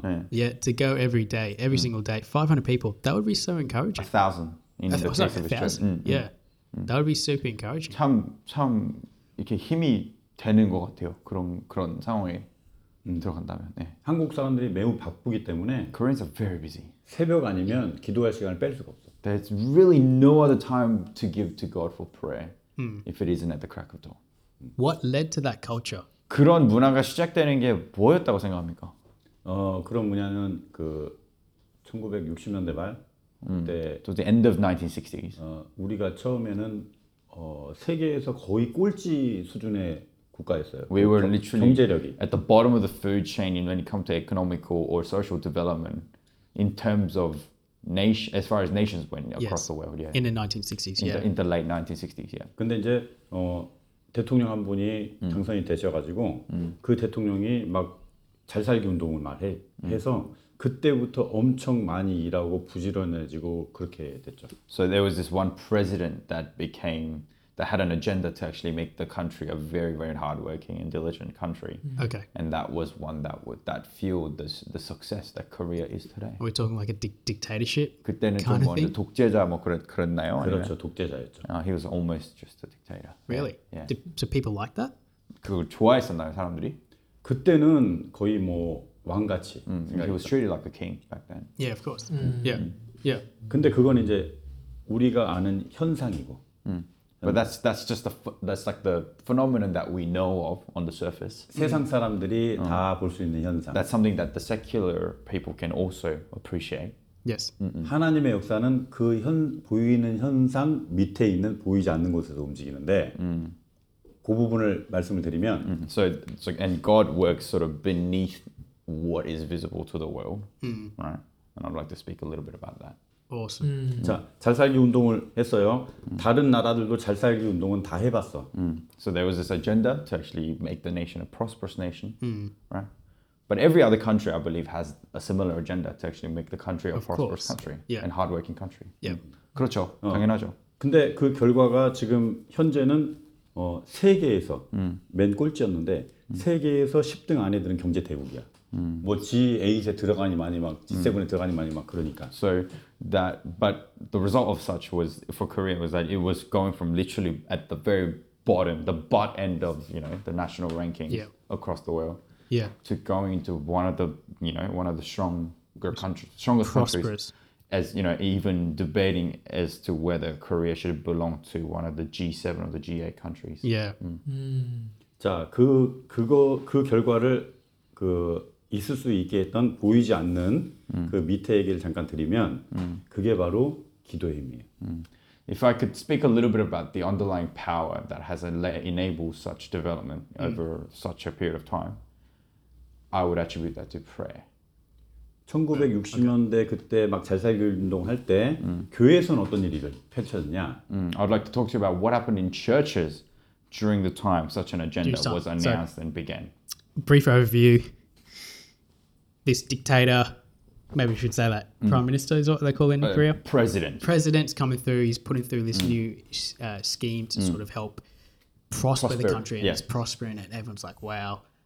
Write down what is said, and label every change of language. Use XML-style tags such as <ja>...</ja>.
<en>Yeah, to go every day, every single day, 500 people, that would be so encouraging. 1,000 in the case of his church. That would be super encouraging.</en> <ko>참 이렇게 힘이 되는 것 같아요. 그런 상황에 들어간다면. 네. 한국 사람들이 매우 바쁘기 때문에</ko> <en>Koreans are very busy.</en> <ko>새벽 아니면 기도할 시간을 뺄 수가 없어.</ko> <en>There's really no other time to give to God for prayer if it isn't at the crack of dawn. What led to that culture?</en> <ko>그런 문화가 시작되는 게 뭐였다고 생각합니까? 그런 문화는 그 1960년대 말 그때</ko> <en>to the end of 1960s.</en> <ko>우리가 처음에는 세계에서 거의 꼴찌 수준의 국가였어요.</ko> <en>We were literally</en> <ko>경제력이.</ko> <en>At the bottom of the food chain in when it comes to economical or social development in terms of nation as far as nations went across the world. Yeah. In the 1960s. Yeah. In the late 1960s. Yeah.</en> <ko>근데 이제 대통령 한 분이 당선이 되셔가지고 그 대통령이 막 잘 살기 운동을 말해 해서 그때부터 엄청 많이 일하고 부지런해지고 그렇게 됐죠.</ko> <en>So there was this one president that became that had an agenda to actually make the country a very very hardworking and diligent country. Okay. And that was one that would that fueled this the success that Korea is today. Are we talking like a dictatorship?</en> <ko>그때는 좀 뭐 독재자 뭐 그랬나요? 그렇죠, 아니면? 독재자였죠.</ko> <en>He was almost just a dictator. Really? Yeah. Do people like that?</en> <ko>그걸 좋아했었나요, 사람들이? 그때는 거의 뭐 왕같이.</ko> <en>He was treated like a king back then. Yeah, of course. Yeah. Yeah.</en> <ko>근데 그건 이제 우리가 아는 현상이고.</ko> <en>But that's just the that's like the phenomenon that we know of on the surface.</en> <ko>세상 사람들이 다 볼 수 있는 현상.</ko> <en>That's something that the secular people can also appreciate. Yes.</en> <ko>하나님의 역사는 그 현 보이는 현상 밑에 있는 보이지 않는 곳에서 움직이는데 그 부분을 말씀을 드리면</ko> <en>So and God works sort of beneath what is visible to the world. Right? And I'd like to speak a little bit about that. Awesome.</en> <ko>자, 잘 살기 운동을 했어요. 다른 나라들도 잘 살기 운동은 다 해봤어.</ko> <en>So there was this agenda to actually make the nation a prosperous nation, right? But every other country, I believe, has a similar agenda to actually make the country a prosperous country and hardworking country. Yeah.</en> <ko>그렇죠. 당연하죠. 근데 그 결과가 지금 현재는 세계에서 맨 꼴찌였는데 세계에서 10등 안에 드는 경제 대국이야. 뭐 G8에 들어가니 많이 막 G7에 들어가니 많이 막 그러니까.</ko> <en>So that, but the result of such was for Korea was that it was going from literally at the very bottom, the butt end of you know the national rankings across the world, to going into one of the you know one of the stronger countries, strongest prosperous. Countries, as you know even debating as to whether Korea should belong to one of the G7 or the G8 countries. Yeah.</en> <ko>자 그 결과를 그 있을 수 있게 했던 보이지 않는 그 밑에 얘기를 잠깐 드리면 그게 바로 기도의 힘이에요.</ko> <en>If I could speak a little bit about the underlying power that has enabled such development over such a period of time, I would attribute that to prayer.</en> <ko>1960년대 그때 막 잘 살기 운동할 때 교회에서는 어떤 일이 펼쳐졌냐?</ko> <en>I'd like to talk to you about what happened in churches during the time such an agenda was announced and began. Brief overview. This dictator, maybe we should say that, prime minister is what they call it in Korea? President. President's coming through. He's putting through this new scheme to sort of help prosper the country. And it's prospering it. Everyone's like, wow.</en>